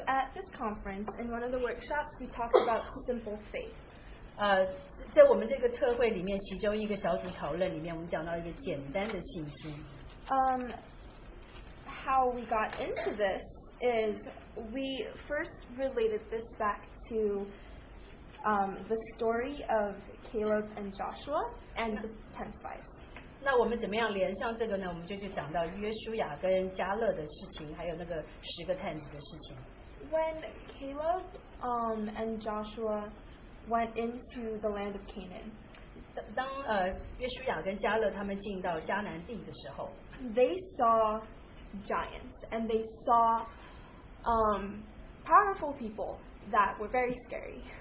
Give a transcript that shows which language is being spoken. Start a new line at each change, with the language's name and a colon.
English: at this conference, in one of the workshops, we talked about simple faith.
Chinese: 在我们这个特会里面，其中一个小组讨论里面，我们讲到一个简单的信心。
English: How we got into this is we first related this back to the story of Caleb and Joshua and the ten spies.
Chinese: 那我们怎么样联想这个呢？我们就讲到约书亚跟加勒的事情，还有那个十个探子的事情。
English: When Caleb and Joshua went into the land of Canaan,
Chinese: 当约书亚跟加勒他们进到迦南地的时候，
English: they saw giants and they saw powerful people that were very scary.